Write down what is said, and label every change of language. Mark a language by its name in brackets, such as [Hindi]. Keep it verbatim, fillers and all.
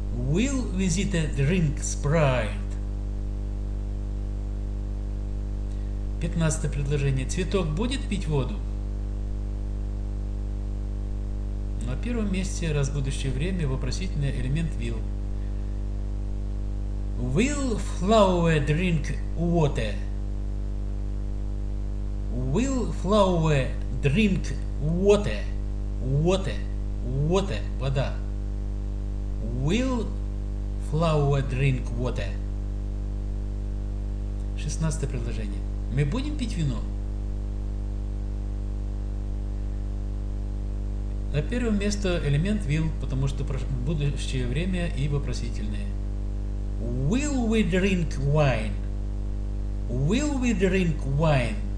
[English] Will visitor drink Sprite? [Russian] пятнадцатое предложение. Цветок будет пить воду? На первом месте раз будущее время вопросительный элемент will. [English] Will flower drink water? Will flower drink water? Water. Water. [Russian] Вода. [English] Will flower drink water? [Russian] шестнадцатое предложение. Мы будем пить вино? На первое место элемент will, потому что будущее время и вопросительные. [English] Will we drink wine? Will we drink wine?